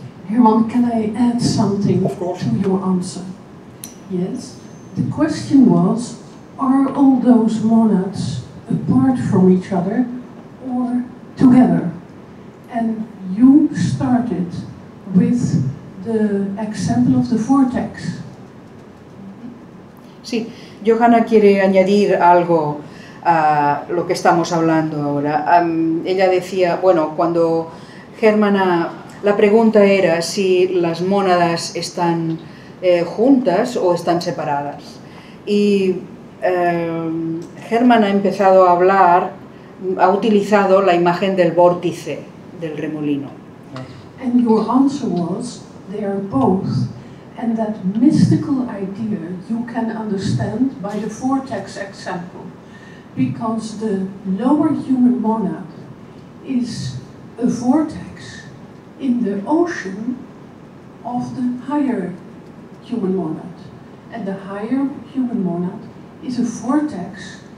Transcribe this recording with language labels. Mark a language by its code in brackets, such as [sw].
[en] Herman, can I add something to your answer? Yes. The question was, are all those monads apart from each other or together? And you started with the example of the vortex. [es] Sí, Johanna quiere añadir algo a lo que estamos hablando ahora. Ella decía, bueno, cuando Germana, la pregunta era si las mónadas están juntas o están separadas. Y Germana ha empezado a hablar, ha utilizado la imagen del vórtice, del remolino. [en] And your answer was, they are both, and that mystical idea you can understand by the vortex example, because the lower human monad is a vortex in the ocean of the higher human monad, and the higher human monad is a vortex